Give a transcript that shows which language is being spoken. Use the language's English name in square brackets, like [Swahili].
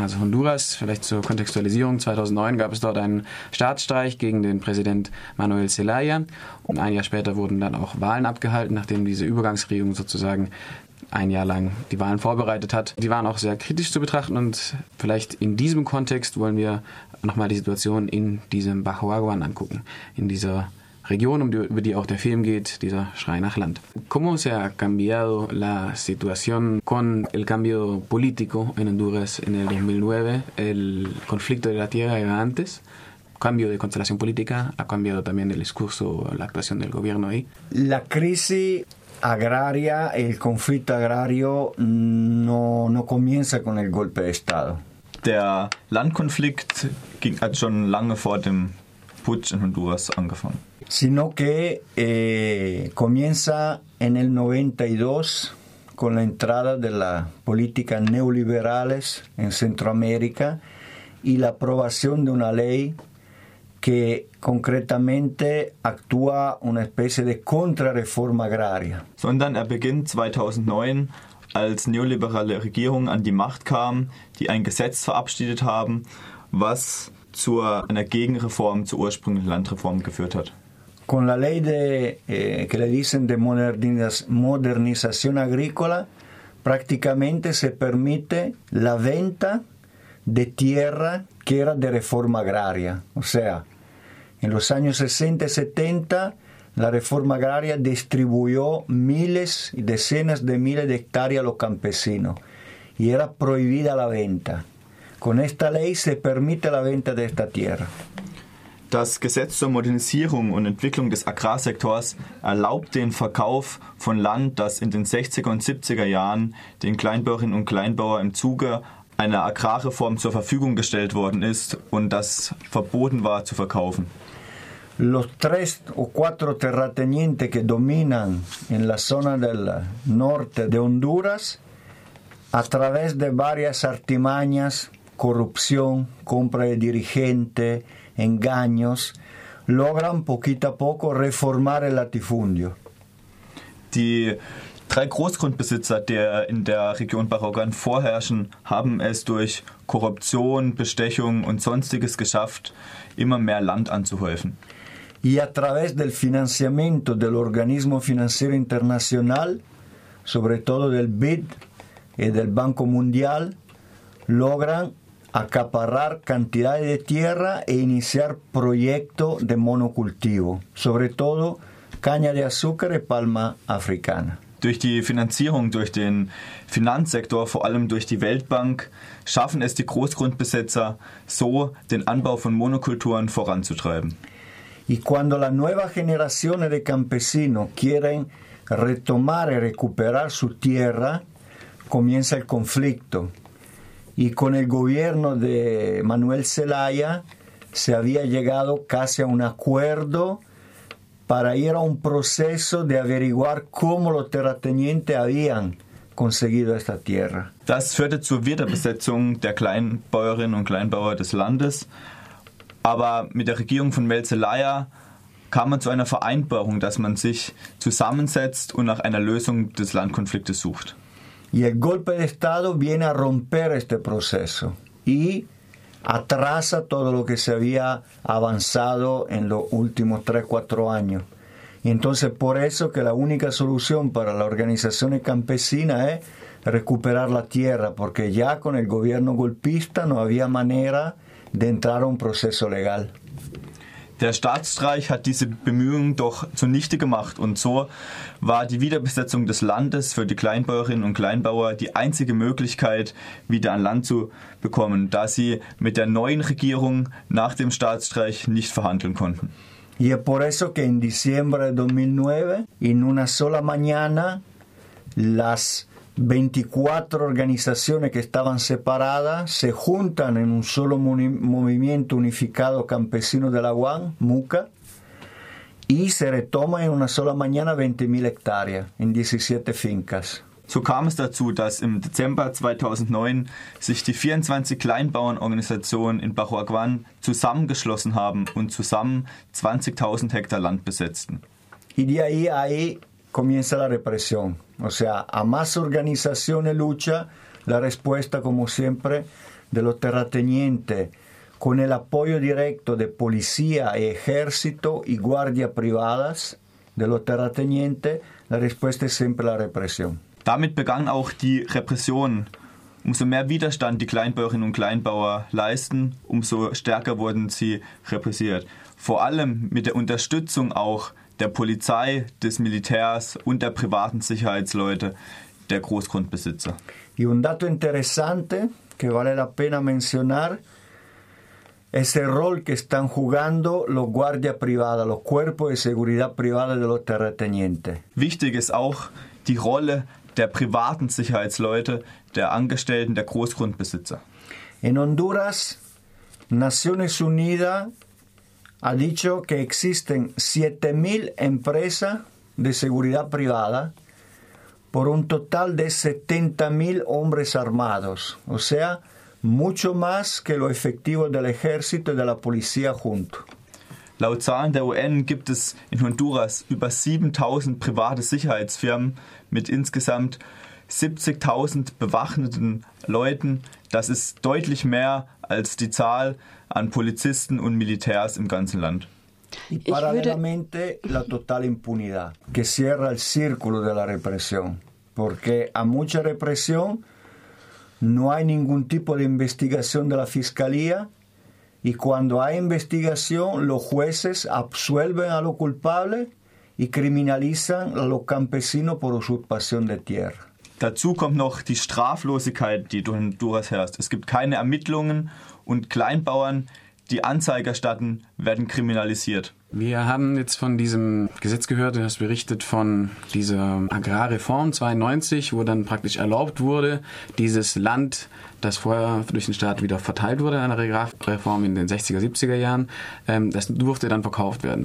[German] Also Honduras, vielleicht zur Kontextualisierung, 2009 gab es dort einen Staatsstreich gegen den Präsident Manuel Zelaya und ein Jahr später wurden dann auch Wahlen abgehalten, nachdem diese Übergangsregierung sozusagen ein Jahr lang die Wahlen vorbereitet hat. Die waren auch sehr kritisch zu betrachten und vielleicht in diesem Kontext wollen wir nochmal die Situation in diesem Bajoaguan angucken, in dieser Region, über die auch der Film geht, dieser Schrei nach Land. [Spanish] ¿Cómo se ha cambiado la situación con el cambio político en Honduras en el 2009? El conflicto de la tierra era antes, cambio de constelación política, ha cambiado también el discurso, la actuación del gobierno ahí. La crisis agraria, el conflicto agrario no comienza con el golpe de Estado. [German] Der Landkonflikt ging schon lange vor dem Putsch in Honduras angefangen. [Spanish] Sino que comienza en el 92 con la entrada de las políticas neoliberales en Centroamérica y la aprobación de una ley que concretamente actúa una especie de contrarreforma agraria. [German] Sondern er beginnt 2009, als neoliberale Regierung an die Macht kam, die ein Gesetz verabschiedet haben, was zu einer Gegenreform zur ursprünglichen Landreform geführt hat. [Spanish] Con la ley de que le dicen de modernización agrícola, prácticamente se permite la venta de tierra que era de reforma agraria. O sea, en los años 60 y 70, la reforma agraria distribuyó miles y decenas de miles de hectáreas a los campesinos y era prohibida la venta. Con esta ley se permite la venta de esta tierra. [German] Das Gesetz zur Modernisierung und Entwicklung des Agrarsektors erlaubt den Verkauf von Land, das in den 60er und 70er Jahren den Kleinbäuerinnen und Kleinbauern im Zuge einer Agrarreform zur Verfügung gestellt worden ist und das verboten war zu verkaufen. [Spanish] Los tres o cuatro terratenientes que dominan en la zona del norte de Honduras a través de varias artimañas, corrupción, compra de dirigente, engaños, logran poquito a poco reformar el latifundio. [German] Die drei Großgrundbesitzer, die in der Region Bajoaguan vorherrschen, haben es durch Korruption, Bestechung und sonstiges geschafft, immer mehr Land anzuhäufen. [Spanish] Y a través del financiamiento del organismo financiero internacional, sobre todo del BID y del Banco Mundial, logran acaparrar cantidades de tierra e iniciar proyectos de monocultivo, sobre todo caña de azúcar y palma africana. [German] Durch die Finanzierung, durch den Finanzsektor, vor allem durch die Weltbank, schaffen es die Großgrundbesitzer, so den Anbau von Monokulturen voranzutreiben. [Spanish] Y cuando la nueva generación de campesinos quieren retomar y recuperar su tierra, comienza el conflicto. Y con el gobierno de Manuel Zelaya se había llegado casi a un acuerdo para ir a un proceso de averiguar cómo los terratenientes habían conseguido esta tierra. [German] Das führte zur Wiederbesetzung der Kleinbäuerinnen und Kleinbauer des Landes. Aber mit der Regierung von Manuel Zelaya kam man zu einer Vereinbarung, dass man sich zusammensetzt und nach einer Lösung des Landkonfliktes sucht. [Spanish] Y el golpe de Estado viene a romper este proceso y atrasa todo lo que se había avanzado en los últimos 3-4 años. Y entonces por eso que la única solución para la organización campesina es recuperar la tierra, porque ya con el gobierno golpista no había manera de entrar a un proceso legal. [German] Der Staatsstreich hat diese Bemühungen doch zunichte gemacht und so war die Wiederbesetzung des Landes für die Kleinbäuerinnen und Kleinbauer die einzige Möglichkeit, wieder an Land zu bekommen, da sie mit der neuen Regierung nach dem Staatsstreich nicht verhandeln konnten. [Spanish] Y es por eso que en diciembre de 2009, en una sola mañana, las 24 organizaciones que estaban separadas se juntan en un solo movimiento unificado campesino de la UAN, MUCA, Y se retoma en una sola mañana 20.000 hectáreas en 17 fincas. [German] So kam es dazu, dass im Dezember 2009 sich die 24 Kleinbauernorganisationen in Bajoaguan zusammengeschlossen haben und zusammen 20.000 Hektar Land besetzten. [Spanish] Y de ahí a ahí comienza la represión. O sea, a más organizaciones lucha, la respuesta, como siempre, de los terratenientes, con el apoyo directo de policía, ejército y guardia privadas de los terratenientes, la respuesta es siempre la represión. [German] Damit begann auch die Repression. Umso mehr Widerstand die Kleinbäuerinnen und Kleinbauer leisten, umso stärker wurden sie repressiert. Vor allem mit der Unterstützung auch der Polizei, des Militärs und der privaten Sicherheitsleute, der Großgrundbesitzer. [Spanish] Y un dato interesante que vale la pena mencionar es el rol que están jugando los guardias privadas, los cuerpos de seguridad privada de los terratenientes. [German] Wichtig ist auch die Rolle der privaten Sicherheitsleute, der Angestellten, der Großgrundbesitzer. [Spanish] En Honduras, Naciones Unidas ha dicho que existen 7.000 empresas de seguridad privada por un total de 70.000 hombres armados, o sea, mucho más que lo efectivo del ejército y de la policía junto. [German] Laut Zahlen der UN gibt es in Honduras über 7.000 private Sicherheitsfirmen mit insgesamt 70.000 bewaffneten Leuten. Das ist deutlich mehr als die Zahl an Polizisten und Militärs im ganzen Land. [Spanish] Paralelamente la total impunidad que cierra el círculo de la represión, porque a mucha represión no hay ningún tipo de investigación de la fiscalía. Y cuando hay investigación, los jueces absuelven a los culpables y criminalizan a los campesinos por usurpación de tierra. [German] Dazu kommt noch die Straflosigkeit, die durch Honduras herrscht. Es gibt keine Ermittlungen und Kleinbauern, die Anzeige erstatten, werden kriminalisiert. Wir haben jetzt von diesem Gesetz gehört, du hast berichtet von dieser Agrarreform 92, wo dann praktisch erlaubt wurde, dieses Land, das vorher durch den Staat wieder verteilt wurde, eine Agrarreform in den 60er, 70er Jahren, das durfte dann verkauft werden.